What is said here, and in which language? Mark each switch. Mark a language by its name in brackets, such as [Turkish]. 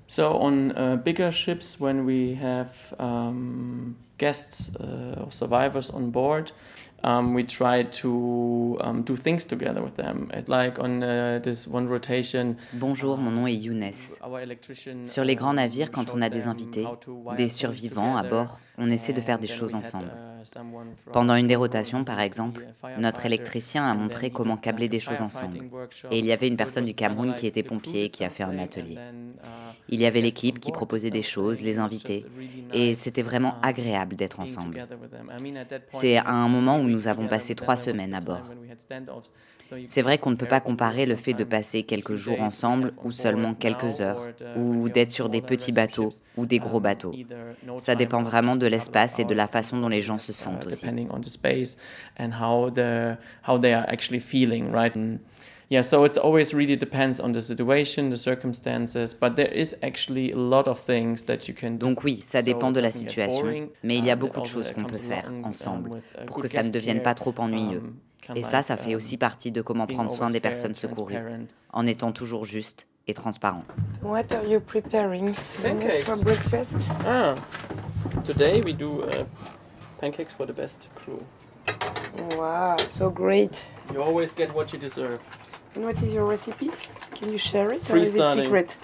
[English] So on bigger ships, when we have guests or survivors on board, we try to do things together with them. Like on this one rotation. [French] Bonjour, mon nom est Eunice. Sur les grands navires, quand on a des invités, des survivants à bord, on essaie de faire des choses ensemble. Pendant une des rotations, par exemple, notre électricien a montré comment câbler des choses ensemble. Et il y avait une personne du Cameroun qui était pompier et qui a fait un atelier. Il y avait l'équipe qui proposait des choses, les invités, et c'était vraiment agréable d'être ensemble. C'est à un moment où nous avons passé 3 semaines à bord. C'est vrai qu'on ne peut pas comparer le fait de passer quelques jours ensemble ou seulement quelques heures, ou d'être sur des petits bateaux ou des gros bateaux. Ça dépend vraiment de l'espace et de la façon dont les gens se sentent aussi. [English] Depending on the space and how they are actually feeling, right? Yeah, so it's always really depends on the situation, the circumstances, but there is actually a lot of things that you can do. [French] Donc oui, ça dépend de la situation, mais il y a beaucoup de choses qu'on peut faire ensemble pour que ça ne devienne pas trop ennuyeux. Et ça, ça fait aussi partie de comment prendre soin des personnes secourues, en étant toujours juste et transparent. [English] What are you preparing? Pancakes for breakfast? Ah, today we do pancakes for the best crew. Wow, so great. You always get what you deserve. And what is your recipe? Can you share it, or is it secret?